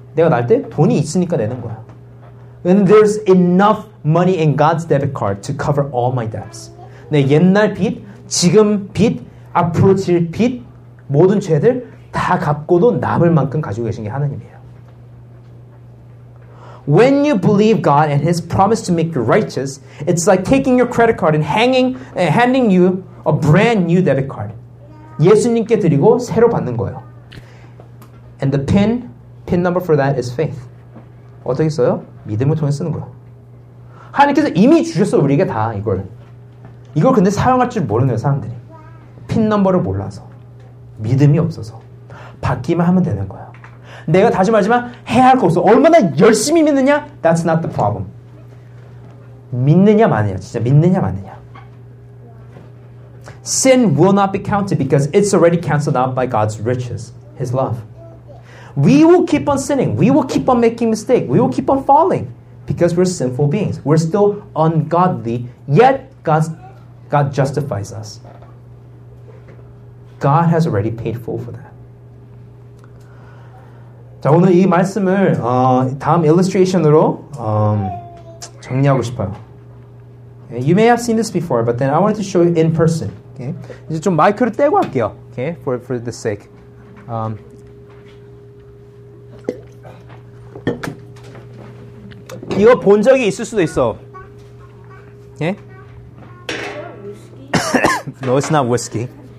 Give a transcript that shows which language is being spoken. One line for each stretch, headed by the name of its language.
Korean: 내가 날 때 돈이 있으니까 내는 거야.
English: And there's enough money in God's debit card to cover all my debts.
Korean: 내 옛날 빚, 지금 빚, 앞으로 질 빚, 모든 죄들 다 갚고도 남을 만큼 가지고 계신 게 하나님이에요.
English: When you believe God and His promise to make you righteous, it's like taking your credit card and handing you a brand new debit card.
Korean: 예수님께 드리고 새로 받는 거예요.
English: And the pin number for that is faith.
Korean: 어떻게 써요? 믿음을 통해 쓰는 거예요. 하나님께서 이미 주셨어, 우리에게 다 이걸. 이걸 근데 사용할 줄 모르는 거예요, 사람들이. 핀 넘버를 몰라서. 믿음이 없어서. 받기만 하면 되는 거예요. 내가 다시 말하지만 해야 할 거 없어. 얼마나 열심히 믿느냐?
English: That's not the problem.
Korean: 믿느냐 마느냐. 진짜 믿느냐 마느냐.
English: Sin will not be counted because it's already canceled out by God's riches, His love. We will keep on sinning. We will keep on making mistakes. We will keep on falling because we're sinful beings. We're still ungodly, yet God justifies us. God has already paid full for that.
Korean: 자, 오늘 이 말씀을 다음 illustration으로 정리하고 싶어요.
English: Okay, you may have seen this before, but then I wanted to show you in person. Okay?
Korean: 이제 좀 마이크를 떼고 할게요.
English: Okay? For the sake.
Korean: 이거 본 적이 있을 수도 있어.
English: Okay? No, it's not whiskey.